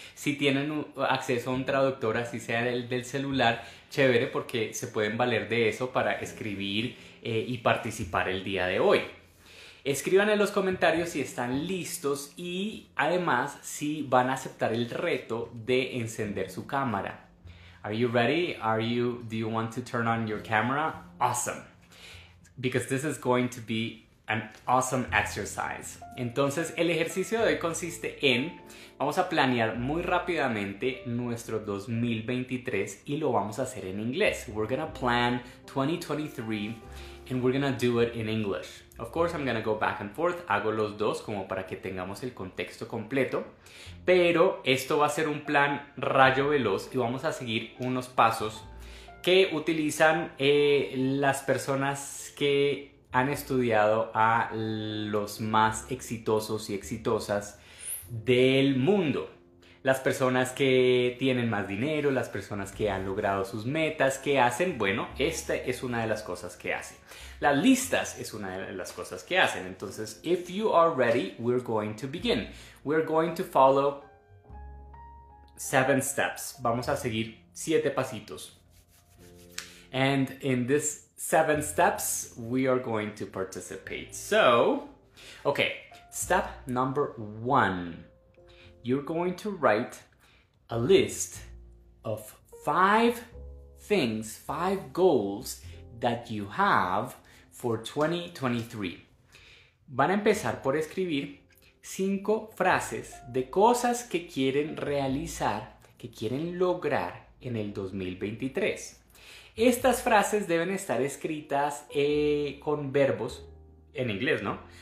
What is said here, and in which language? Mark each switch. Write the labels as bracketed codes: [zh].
[es] Si tienen acceso a un traductor, así sea del celular, chévere, porque se pueden valer de eso para escribir y participar el día de hoy. Escriban en los comentarios si están listos y además si van a aceptar el reto de encender su cámara. [en] Are you ready? Do you want to turn on your camera? Awesome. Because this is going to be an awesome exercise. [es] Entonces, el ejercicio de hoy consiste en, vamos a planear muy rápidamente nuestro 2023 y lo vamos a hacer en inglés. [en] We're gonna plan 2023 and we're gonna do it in English. Of course, I'm gonna go back and forth. [es] Hago los dos como para que tengamos el contexto completo. Pero esto va a ser un plan rayo veloz y vamos a seguir unos pasos que utilizan las personas que han estudiado a los más exitosos y exitosas del mundo. Las personas que tienen más dinero, las personas que han logrado sus metas, ¿qué hacen? Bueno, esta es una de las cosas que hacen. Las listas es una de las cosas que hacen. [en] Entonces, if you are ready, we're going to begin. We're going to follow 7 steps. [es] Vamos a seguir 7 pasitos. [en] And in this 7 steps, we are going to participate. So, okay, step number 1. You're going to write a list of 5 things, 5 goals that you have for 2023. [es] Van a empezar por escribir 5 frases de cosas que quieren realizar, que quieren lograr en el 2023. Estas frases deben estar escritas con verbos, en inglés, ¿no?